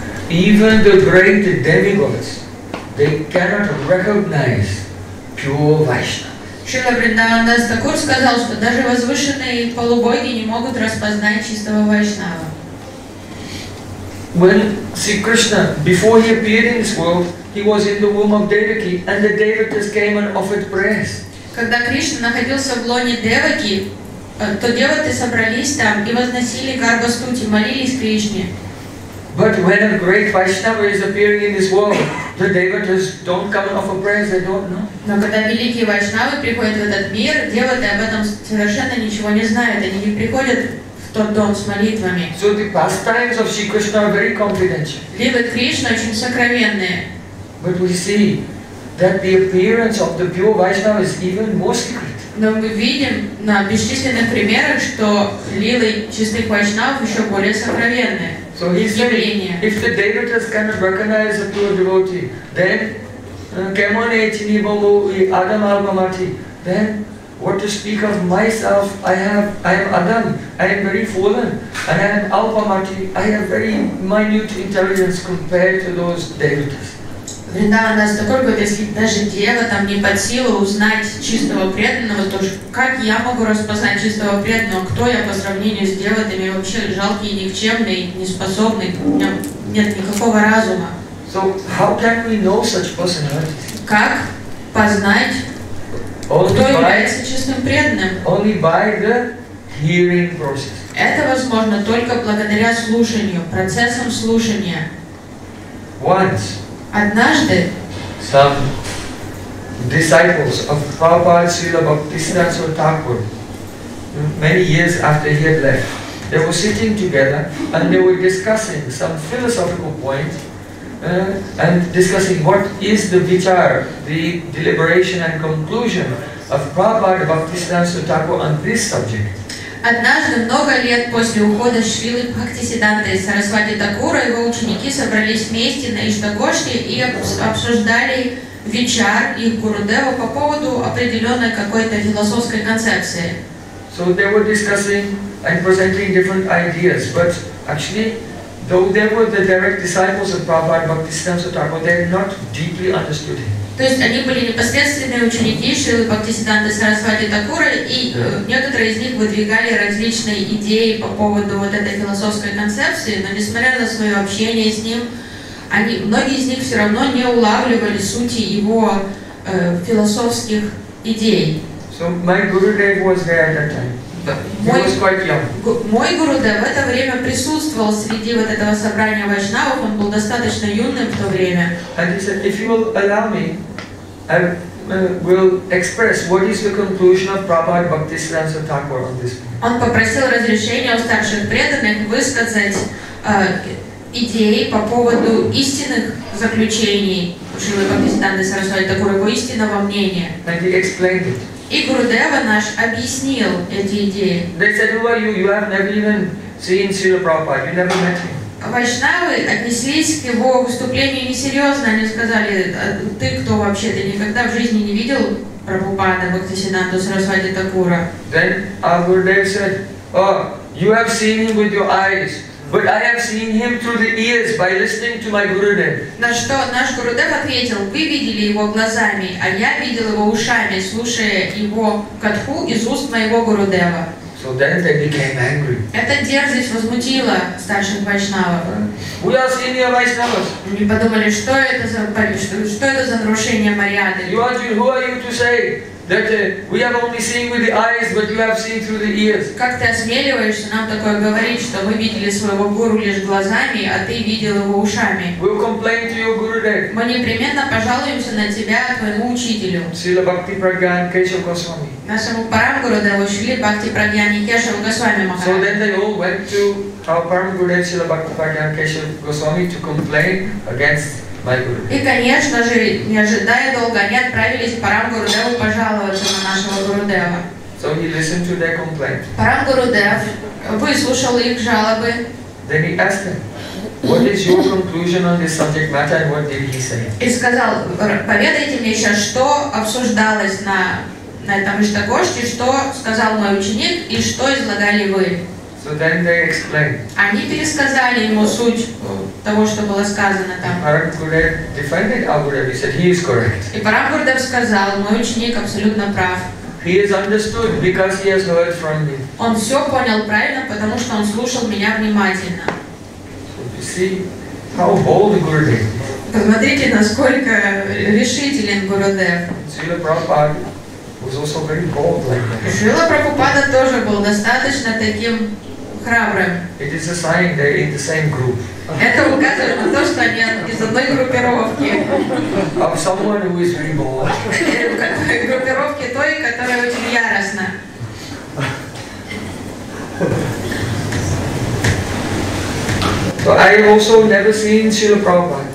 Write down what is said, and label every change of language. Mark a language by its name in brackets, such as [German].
[English] Even the great demigods, they cannot recognize pure Vaishnava. [Russian] Шрила Вриндаван Дас Тхакур сказал, что даже возвышенные полубоги не могут распознать чистого Вайшнава. [English] When Sri Krishna, before he appeared in this world, he was in the womb of Devaki, and the Devatas came and offered prayers. [Russian] Когда Кришна находился в лоне Деваки, то деваты собрались там и возносили Гарбастути, молились Кришне. [English] But when a great Vaishnava is appearing in this world, the devotees don't come and offer prayers, they don't know. [Russian] Но когда великие Вайшнавы приходят в этот мир, деваты об этом совершенно ничего не знают, они не приходят в тот дом с молитвами. [English] So the pastimes of Shri Krishna are very confidential. [Russian] Лилы Кришны очень сокровенные. [English] But we see that the appearance of the pure Vaishnava is even more secret. [Russian] Но мы видим на бесчисленных примерах, что лилы чистых Вайшнав еще более сокровенные. [English] So he said, if the devotees cannot recognize a pure devotee, then [Bangla] kemone chini bomu Adam Albamati, [English] then what to speak of myself? I am Adam, I am very fallen, and I am Albamati, I have very minute intelligence compared to those devotees. [Russian] Вриндавана настолько, если даже дева там не под силу узнать чистого преданного, то как я могу распознать чистого преданного? Кто я по сравнению с деватами? Вообще жалкий, никчемный, неспособный, у меня нет никакого разума. [English] So how can we know such personality? [Russian] Как познать, only кто является чистым преданным? [English] Only by the hearing process. [Russian] Это возможно только благодаря слушанию, процессам слушания. [English] Once. [Russian] Однажды [English] some disciples of Prabhupada Srila Bhaktisiddhanta Thakur, many years after he had left, they were sitting together and they were discussing some philosophical point and discussing what is the vichar, the deliberation and conclusion of Prabhupada Bhaktisiddhanta Thakur on this subject. [Russian] Однажды, много лет после ухода Шрилы Бхактисиддханты Сарасвати Такура, его ученики собрались вместе на Иштагоште и обсуждали вичар и Гурудева по поводу определенной какой-то философской концепции. [English] So they were discussing and presenting different ideas, but actually, though they were the direct disciples of Prabhupada Bhaktisiddhanta Thakur, they had not deeply understood him. [Russian] То есть они были непосредственные ученики Шрилы Бхактисиддханты Сарасвати Такура, и некоторые из них выдвигали различные идеи по поводу вот этой философской концепции, но несмотря на свое общение с ним, многие из них все равно не улавливали сути его философских идей. [English] So my Gurudev was there at that time. He was quite young. [Russian] Мой Гурудев в это время присутствовал среди вот этого собрания вайшнавов, он был достаточно юным в то время. [English] And he said, if you will allow me, I will express what is the conclusion of Prabhupada Bhaktisiddhanta Thakur on this point. [Russian] Он попросил разрешения у старших преданных высказать идеи по поводу истинных заключений Шрилы Бхактисиддханты Сарасвати Такур, его истинного мнения. [English] And he explained it. [Russian] И Гурудева наш объяснил эти идеи. [English] They said, who are you? You have never even seen Srila Prabhupada. You never met him. [Russian] Вайшнавы отнеслись к его выступлению несерьезно. Они сказали, ты кто вообще? Ты никогда в жизни не видел Прабхупада Бхактисиддханту Сарасвати Такура? [English] Then our Gurudev said, oh, you have seen him with your eyes. But I have seen him through the ears by listening to my Gurudev. [Russian] На что наш Гурудев ответил, вы видели его глазами, а я видел его ушами, слушая его катху из уст моего Гурудева. [English] So then they became angry. [Russian] Эта дерзость возмутила старших вайшнавов. [English] We are senior vaishnavas. [Russian] Они подумали, что это за нарушение мариады. [English] You are, who are you to say? That we have only seen with the eyes, but you have seen through the ears. [Russian] Как ты осмеливаешься нам такое говорить, что мы видели своего гуру лишь глазами, а ты видел его ушами? [English] We will complain to your Gurudev. [Russian] Мы непременно пожалуемся на тебя, твоему учителю. [English] Srila Bhakti Pragyan Keshav Goswami. [Russian] Нашему Парамгурудеву Шрили Бхакти Прагьяне Кешава Госвами Махараджа. [English] So then they all went to our Парамгурудев Srila Bhakti Pragyan Keshav Goswami to complain against. [Russian] И, конечно же, не ожидая долго, они отправились к Парамгурудеву пожаловаться на нашего Гурудева. [English] So he listened to their complaint. [Russian] Парамгурудев выслушал их жалобы. [English] Then he asked them, what is your conclusion on this subject matter and what did he say? [Russian] И сказал, поведайте мне сейчас, что обсуждалось на этом Иштагоште, что сказал мой ученик и что излагали вы. [English] So then they explained. [Russian] Они пересказали ему суть того, что было сказано там. [English] Парамгурудев defended our Gurudev. He said he is correct. [Russian] И Парамгурудев сказал, мой ученик абсолютно прав. [English] He is understood because he has heard from me. [Russian] Он все понял правильно, потому что он слушал меня внимательно. [English] So you see how bold Gurudev. [Russian] Посмотрите, насколько решителен Гурудев. [English] Srila Prabhupada was was also very bold like that. [Russian] Шрила Прабхупада тоже был достаточно таким храбрым. [English] It is a sign they are in the same group. [Russian] Это указывает на то, что они из одной группировки. [English] Of someone who is very bold. [Russian] Группировки той, которая очень яростна. [English] So I also never seen Srila Prabhupada.